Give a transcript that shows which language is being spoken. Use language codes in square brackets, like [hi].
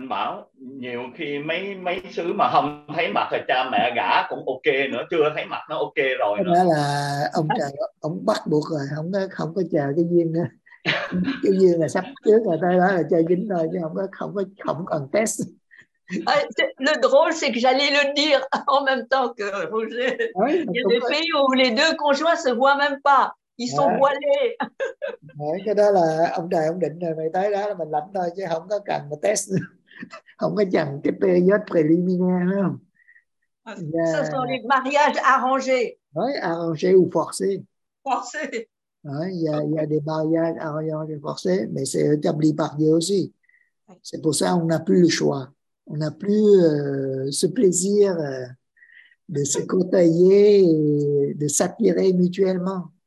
[vi] anh Bảo, nhiều khi mấy mấy xứ mà không thấy mặt thì cha mẹ gả cũng ok nữa, chưa thấy mặt nó ok rồi nữa. Đó là ông trời ông bắt buộc rồi, không có không có chờ cái duyên nữa. Cái duyên là sắp trước rồi, tới đó là chơi dính rồi chứ không có không có không cần test. [fr] Le drôle, c'est que j'allais le dire en même temps que Roger. Il y a des pays où les deux conjoints se voient même pas. Ils sont voilés. [vi] Ouais, cái đó là ông trời ông định rồi, mày tới đó là mình lãnh thôi chứ không có cần mà test. Không có chẳng cái [fr] période préliminaire [vi] nữa. [fr] Ce sont les mariages arrangés. Ouais, arrangés ou forcés. Forcés. Ouais, il y a des mariages arrangés ou forcés, mais c'est établi par Dieu aussi. C'est pour ça qu'on n'a plus le choix. On n'a plus ce plaisir de se côtoyer, de s'attirer mutuellement.